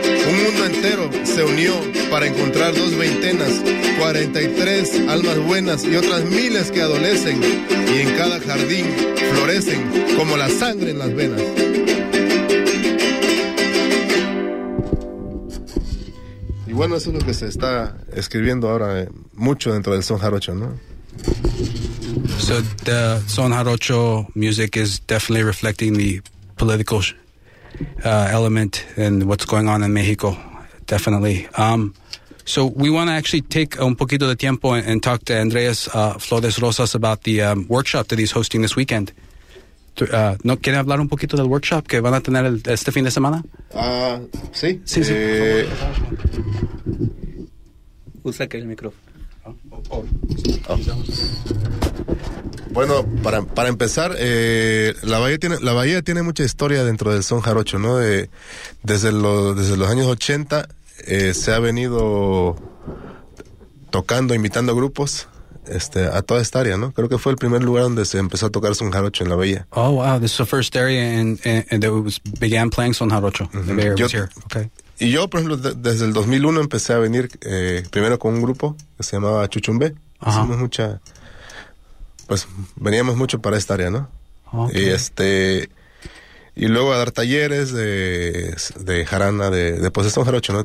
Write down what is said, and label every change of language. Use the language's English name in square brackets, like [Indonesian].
[Spanish] Un mundo entero se unió para encontrar 2 veintenas, 43 almas buenas y otras miles que adolecen, y en cada jardín florecen como la sangre en las venas. Y bueno, eso es lo que se está escribiendo ahora mucho dentro del Son Jarocho, ¿no? [English] So the Son Jarocho music is definitely reflecting the political element and what's going on in Mexico, definitely. So we want to actually take [Spanish] un poquito de tiempo [English] and talk to Andreas Flores Rosas about the workshop that he's hosting this weekend. [Spanish] ¿No quiere hablar un poquito del workshop que van a tener este fin de semana? Sí. Sí, sí. Usa que el micrófono. Bueno, para empezar, la bahía tiene mucha historia dentro del son jarocho, ¿no? Desde los años 80 se ha venido tocando, invitando grupos a toda esta área, ¿no? Creo que fue el primer lugar donde se empezó a tocar son jarocho en la bahía. [English] Oh, wow, this is the first area and began playing son jarocho. Mm-hmm. The bay was here. Okay. [Spanish] Y yo, por ejemplo, desde el 2001 empecé a venir primero con un grupo que se llamaba Chuchumbé. Uh-huh. Veníamos mucho para esta área, ¿no? Okay. Y luego a dar talleres de jarana, de pues son jarocho, ¿no?